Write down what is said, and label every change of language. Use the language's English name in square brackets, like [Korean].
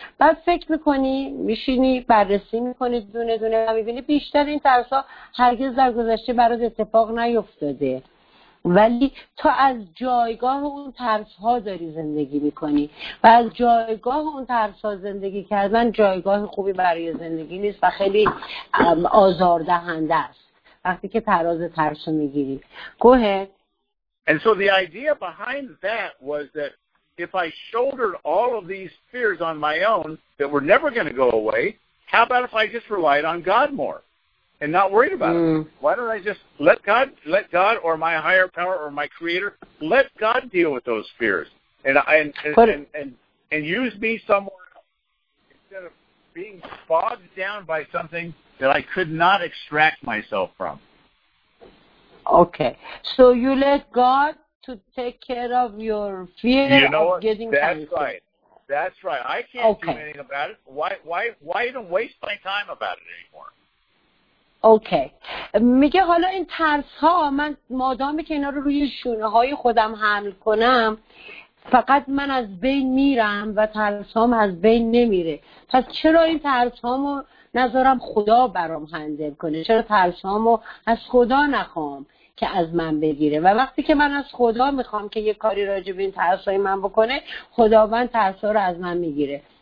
[Persian] بعد فکر میکنی، میشینی بررسی میکنی دونه دونه و میبینی بیشتر این ترسا هرگز در گذشته برات اتفاق نیفتاده، ولی تو از جایگاه اون ترس‌ها داری زندگی می‌کنی و از جایگاه اون ترس‌ها زندگی کردن جایگاه خوبی برای زندگی نیست و خیلی آزاردهنده است وقتی که تراز ترس رو می‌گیری. [English] Go ahead. And so the idea behind that was that if I shouldered all of these fears on my own that were never going to go away, how about if I just relied on God more? And not worried about it. Why don't I just let God or my higher power or my creator, let God deal with those fears and use me somewhere else instead of being bogged down by something that I could not extract myself from. Okay. So you let God to take care of your fear you know of what? Getting That's cancer. Right. That's right. I can't do anything about it. Why even waste my time about it anymore? Okay. [Persian] میگه حالا این ترس ها من مادامی که اینا رو روی شونه های خودم حمل کنم فقط من از بین میرم و ترس هام از بین نمیره، پس چرا این ترس هامو نذارم خدا برام هندل کنه؟ چرا ترس هامو از خدا نخوام که از من بگیره؟ و وقتی که من از خدا میخوام که یه کاری راجع به این ترس های من بکنه، خداوند ترس ها رو از من میگیره.